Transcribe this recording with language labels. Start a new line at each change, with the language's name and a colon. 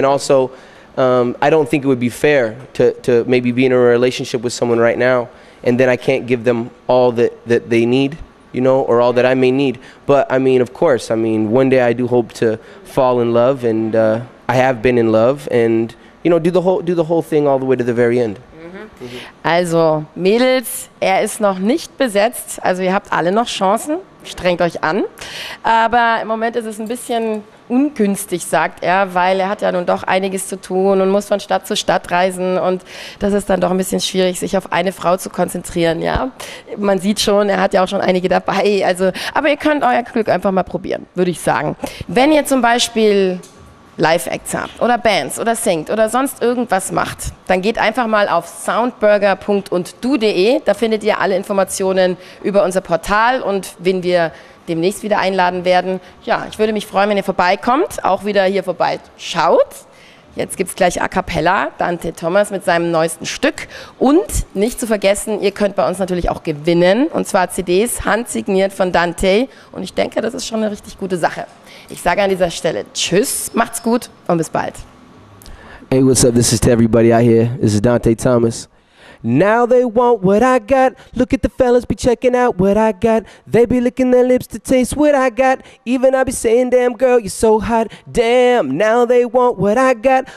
English: And also, I don't think it would be fair to maybe be in a relationship with someone right now, and then I can't give them all that they need, you know, or all that I may need. But I mean, of course, I mean, one day I do hope to fall in love, and I have been in love, and, you know, do the whole thing all the way to the very end.
German: Also, Mädels, er ist noch nicht besetzt, also ihr habt alle noch Chancen, strengt euch an. Aber im Moment ist es ein bisschen ungünstig, sagt er, weil er hat ja nun doch einiges zu tun und muss von Stadt zu Stadt reisen. Und das ist dann doch ein bisschen schwierig, sich auf eine Frau zu konzentrieren, ja. Man sieht schon, er hat ja auch schon einige dabei. Also, aber ihr könnt euer Glück einfach mal probieren, würde ich sagen. Wenn ihr zum Beispiel Live-Acts habt oder Bands oder singt oder sonst irgendwas macht, dann geht einfach mal auf soundburger.undu.de. Da findet ihr alle Informationen über unser Portal und wen wir demnächst wieder einladen werden. Ja, ich würde mich freuen, wenn ihr vorbeikommt, auch wieder hier vorbeischaut. Jetzt gibt's gleich A Cappella, Dante Thomas mit seinem neuesten Stück. Und nicht zu vergessen, ihr könnt bei uns natürlich auch gewinnen, und zwar CDs, handsigniert von Dante. Und ich denke, das ist schon eine richtig gute Sache. Ich sage an dieser Stelle tschüss, macht's gut und bis bald.
English: Hey, what's up? This is to everybody out here. This is Dante Thomas. Now they want what I got. Look at the fellas be checking out what I got. They be licking their lips to taste what I got. Even I be saying, damn girl, you're so hot. Damn, now they want what I got.